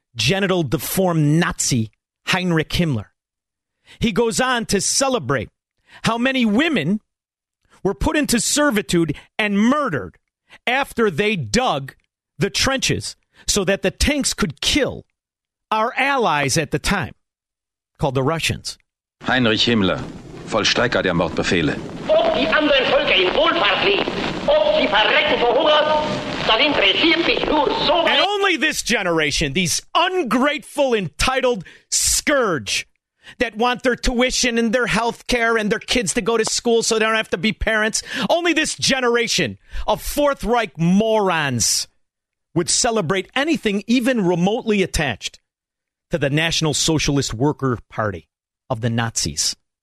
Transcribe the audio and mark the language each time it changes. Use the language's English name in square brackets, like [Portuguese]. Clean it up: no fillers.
[English] genital deformed Nazi Heinrich Himmler. He goes on to celebrate how many women were put into servitude and murdered after they dug the trenches so that the tanks could kill our allies at the time, called the Russians. [German] Heinrich Himmler, Vollstrecker der Mordbefehle. Ob die anderen Völker in Wohlfahrt liegen, ob sie verrecken vor Hunger, das interessiert mich nur so weit. [English] And only this generation, these ungrateful, entitled scourge that want their tuition and their health care and their kids to go to school so they don't have to be parents. Only this generation of Fourth Reich morons would celebrate anything even remotely attached to the National Socialist Worker Party of the Nazis.